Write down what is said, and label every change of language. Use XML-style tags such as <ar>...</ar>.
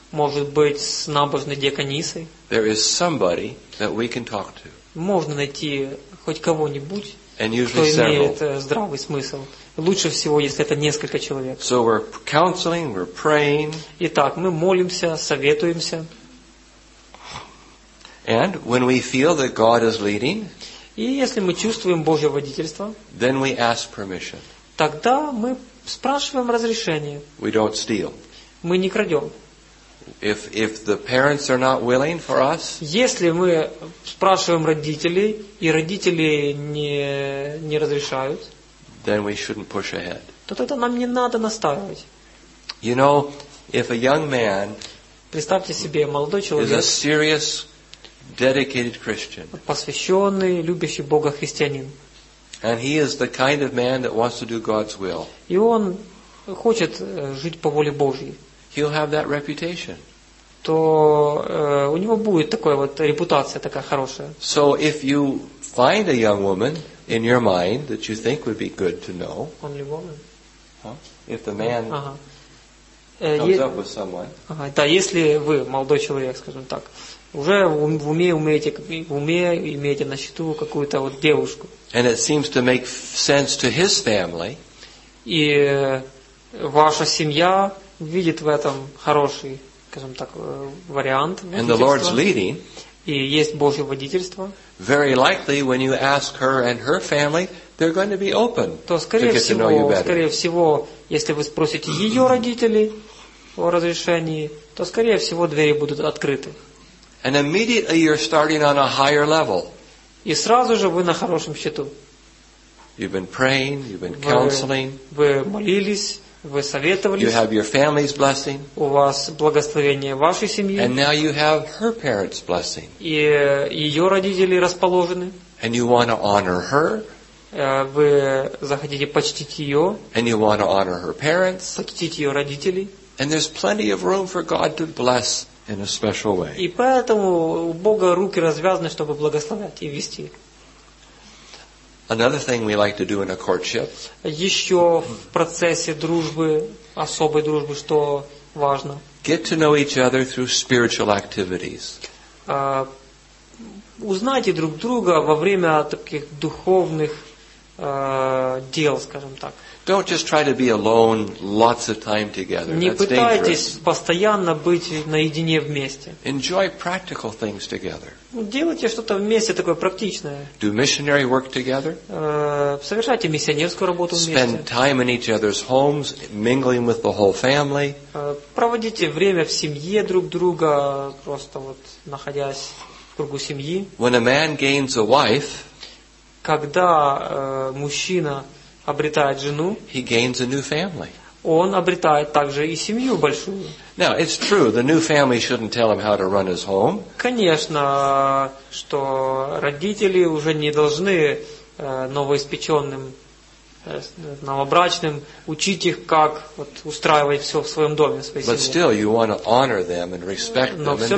<ru>Может быть, с набожной диаконисой.</ru> <en>There is somebody that we can talk to.</en> <ru>Можно найти хоть кого-нибудь, кто имеет здравый смысл. Лучше всего, если это несколько человек.</ru> <en>So we're counseling, we're praying.</en> <ru>Итак, мы молимся, советуемся.</ru> <en>And when we feel that God is leading,</en> <ru>и если мы чувствуем Божье водительство,</ru> <en>then we ask permission.</en> <ru>Тогда мы спрашиваем разрешение.</ru> <en>We don't steal.</en> <ru>Мы не крадем.</ru> <en>If the parents are not willing for us,</en> <ru>если мы спрашиваем родителей, и родители не разрешают,</ru> <en>then we shouldn't push ahead.</en> <ru>То тогда нам не надо настаивать.</ru> <en>You know, if a young man,</en> <ru>представьте себе, молодой человек,</ru> <en>is a serious dedicated Christian.</en> <ru>Посвященный, любящий Бога христианин.</ru> <en>And he is the kind of man that wants to do God's will.</en> <ru>И он хочет жить по воле Божьей.</ru> <en>He'll have that reputation.</en> <ru>То у него будет такая вот репутация такая хорошая.</ru> <en>So if you find a young woman in your mind that you think would be good to know. Only woman. Huh? If the man comes up with someone.</en> <ru>Да, если вы молодой человек, скажем так, уже умеете на счету какую-то вот девушку.</ru> <en>And it seems to make sense to his family.</en> <ru>И ваша семья видит в этом хороший, скажем так, вариант.</ru> <en>And the Lord's leading.</en> <ru>И есть Божье водительство.</ru> <en>Very likely, when you ask her and her family, they're going to be open to get to know you better.</en> <ru>Скорее всего, если вы спросите ее родителей о разрешении, то, скорее всего, двери будут открыты.</ru> <en>And immediately you're starting on a higher level.</en> <ru>И сразу же вы на хорошем счету.</ru> <en>You've been praying, you've been counseling.</en> <ru>Вы молились, вы советовались.</ru> <en>You have your family's blessing.</en> <ru>У вас благословение вашей семьи.</ru> <en>And now you have her parents' blessing.</en> <ru>И ее родители расположены.</ru> <en>And you want to honor her.</en> <ru>Вы захотите почтить ее.</ru> <en>And you want to honor her parents.</en> <ru>Почтить ее родителей.</ru> <en>And there's plenty of room for God to bless in a special way.</en> <ru>И поэтому у Бога руки развязаны, чтобы благословлять и вести.</ru> <en>Another thing we like to do in a courtship.</en> <ru>Еще в процессе дружбы, особой дружбы, что важно.</ru> <en>Get to know each other through spiritual activities.</en> <ru>Узнайте друг друга во время таких духовных дел, скажем так.</ru> <en>Don't just try to be alone lots of time together.</en> <ru>Не пытайтесь постоянно быть наедине вместе.</ru> <en>Enjoy practical things together.</en> <ru>Делайте что-то вместе такое практичное.</ru> <en>Do missionary work together.</en> <ru>Совершайте миссионерскую работу вместе.</ru> <en>Spend time in each other's homes, mingling with the whole family.</en> <ru>Проводите время в семье друг друга, просто вот находясь в кругу семьи.</ru> <en>When a man gains a wife,</en> <ru>когда мужчина обретает жену,</ru> <en>he gains a new family.</en> <ru>Он обретает также и семью большую.</ru> <en>Now, it's true, the new family shouldn't tell him how to run his home.</en> <ru>Конечно, что родители уже не должны новоиспеченным, новобрачным учить их, как вот, устраивать все в своем доме, в своей семье.</ru> <en>But still, you want to honor them and respect them and be friends with them.</en>